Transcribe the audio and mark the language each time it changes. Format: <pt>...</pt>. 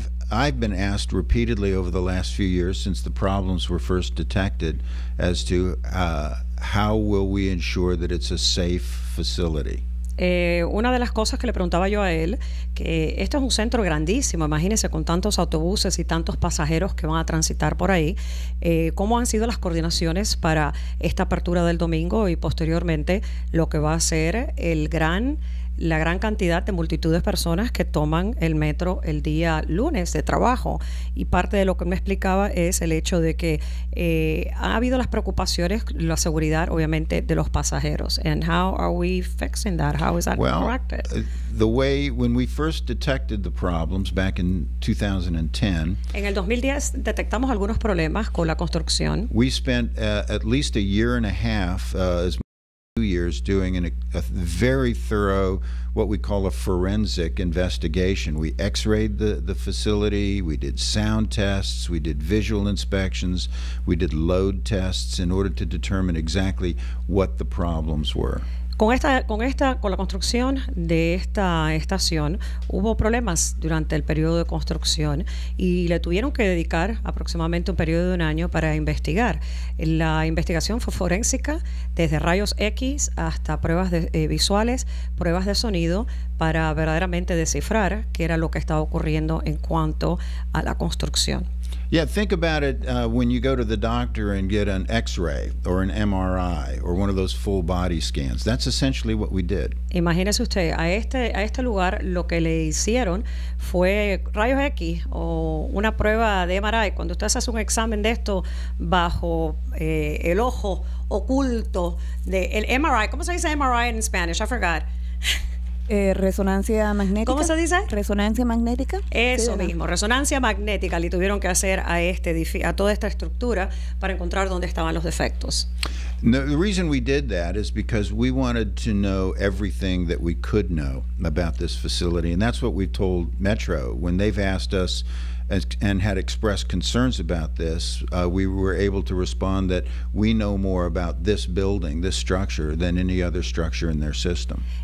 <en>I've been asked repeatedly over the last few years since the problems were first detected as to how will we ensure that it's a safe facility.</en> <es>Una de las cosas que le preguntaba yo a él, que esto es un centro grandísimo, imagínese con tantos autobuses y tantos pasajeros que van a transitar por ahí, ¿cómo han sido las coordinaciones para esta apertura del domingo y posteriormente lo que va a ser la gran cantidad de multitud de personas que toman el metro el día lunes de trabajo? Y parte de lo que me explicaba es el hecho de que ha habido las preocupaciones, la seguridad obviamente de los pasajeros.</es> <en>And how are we fixing that? How is that corrected? When we first detected the problems back in 2010,</en> <es>en el 2010 detectamos algunos problemas con la construcción.</es> <en>We spent at least a year and a half, as 2 years doing a very thorough, what we call a forensic investigation. We x-rayed the facility, we did sound tests, we did visual inspections, we did load tests in order to determine exactly what the problems were.</en> <es>Con la construcción de esta estación hubo problemas durante el periodo de construcción y le tuvieron que dedicar aproximadamente un periodo de un año para investigar. La investigación fue forénsica, desde rayos X hasta pruebas visuales, pruebas de sonido, para verdaderamente descifrar qué era lo que estaba ocurriendo en cuanto a la construcción.</es> <en>Yeah, think about it when you go to the doctor and get an X-ray or an MRI or one of those full body scans. That's essentially what we did.</en> <es>Imagínese usted, a este lugar lo que le hicieron fue rayos X o una prueba de MRI. Cuando usted hace un examen de esto bajo el ojo oculto de el MRI, ¿cómo se dice MRI en</es> <en>Spanish? I forgot.</en> <es>Resonancia magnética. ¿Cómo se dice? Resonancia magnética. Eso sí, mismo, resonancia magnética le tuvieron que hacer a este a toda esta estructura para encontrar dónde estaban los defectos.</es> <en>No, the reason we did that is because we wanted to know everything that we could know about this facility, and that's what we told Metro when they've asked us and had expressed concerns about this. We were able to respond that we know more about this building, this structure, than any other structure in their system.</en>